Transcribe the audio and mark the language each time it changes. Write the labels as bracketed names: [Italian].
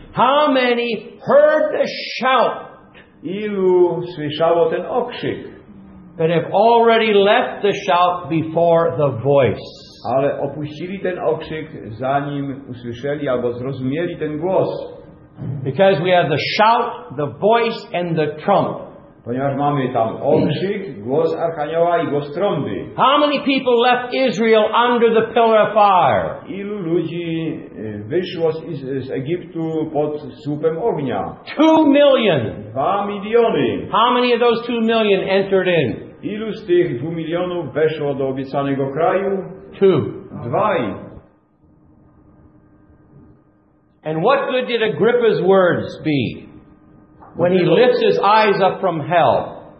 [English] How many heard the shout? [Polish] Ilu słyszało ten okrzyk? [English] But have already left the shout before the voice. [Polish] Ale opuścili ten okrzyk, zanim usłyszeli albo zrozumieli ten głos. [English] Because we have the shout, the voice and the trump. [Polish] Ponieważ mamy tam okrzyk, głos archanioła i głos trąby. [English] How many people left Israel under the pillar of fire? [Polish] Ilu ludzi wyszło z Egiptu pod słupem ognia? [English] 2 million. [Polish] 2 miliony. [English] How many of those 2 million entered in? [Polish] Ilu z tych 2 milionów weszło do obiecanego kraju? [English] 2. [Polish] 2. [English] And what good did Agrippa's words be? When he lifts his eyes up from hell.